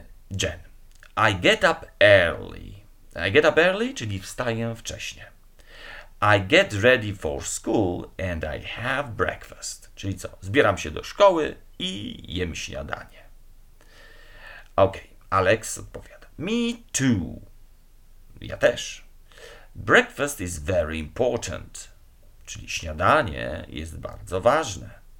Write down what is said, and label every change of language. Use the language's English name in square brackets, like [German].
[English] Jen, I get up early. I get up early, [Polish] czyli wstaję wcześnie. [English] I get ready for school and I have breakfast. [Polish] Czyli co? Zbieram się do szkoły i jem śniadanie. Ok, Alex odpowiada. [English] Me too. [Polish] Ja też. [English] Breakfast is very important. [Polish] Czyli śniadanie jest bardzo ważne.